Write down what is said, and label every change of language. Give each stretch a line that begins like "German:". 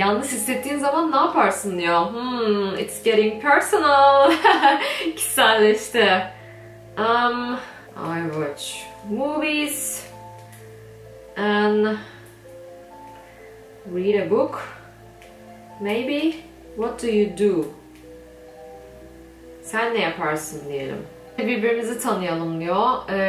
Turkish: Yalnız hissettiğin zaman ne yaparsın diyor.
English: It's getting personal.
Turkish: Kişiselleşti.
English: I watch movies and read a book. Maybe. What do you do?
Turkish: Sen ne yaparsın diyelim. Birbirimizi tanıyalım diyor.